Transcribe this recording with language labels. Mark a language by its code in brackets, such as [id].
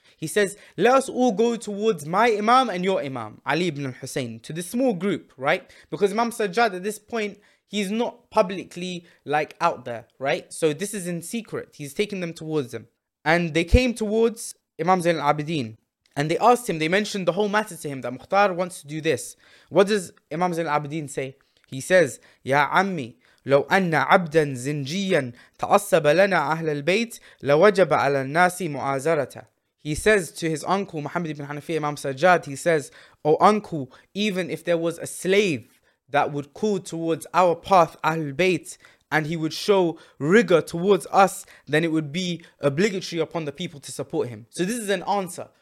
[en] He says, let us all go towards my Imam and your Imam, Ali ibn al-Husayn, to this small group, right? Because Imam Sajjad at this point, he's not publicly like out there, right? So this is in secret. He's taking them towards him. And they came towards Imam Zain al-Abidin. And they asked him, they mentioned the whole matter to him, that Mukhtar wants to do this. What does Imam Zain al-Abidin say? He says, [ar] Ya Ammi, لو أن عبدا زنجيا تعصب لنا أهل البيت لوجب على الناس معازرته. [en] He says to his uncle, Muhammad ibn Hanafiyyah, Imam Sajjad, he says, oh uncle, even if there was a slave that would call towards our path, Ahlul Bayt, and he would show rigor towards us, then it would be obligatory upon the people to support him. So this is an answer.